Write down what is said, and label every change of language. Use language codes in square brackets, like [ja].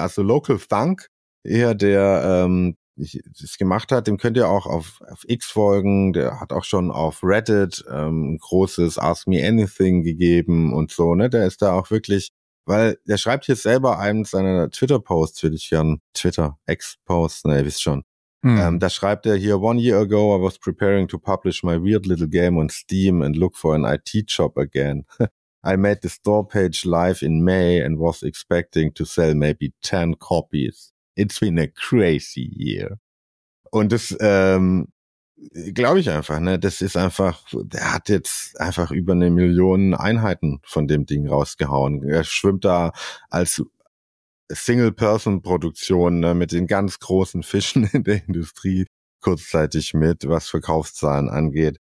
[de] Also Local Thunk, eher der das gemacht hat, dem könnt ihr auch auf X folgen, der hat auch schon auf Reddit ein großes Ask Me Anything gegeben und so, ne? Der ist da auch wirklich, weil der schreibt hier selber einen seiner Twitter-Posts, würde ich gerne, Twitter-X-Posts, ne, ihr wisst schon. Da schreibt er hier, [en] 1 year ago I was preparing to publish my weird little game on Steam and look for an IT job again. I made the store page live in May and was expecting to sell maybe 10 copies. It's been a crazy year. [de] Und das glaube ich einfach, ne? Das ist einfach, der hat jetzt einfach über 1 Million Einheiten von dem Ding rausgehauen. Er schwimmt da als Single-Person-Produktion, ne, mit den ganz großen Fischen in der Industrie kurzzeitig mit, was Verkaufszahlen angeht.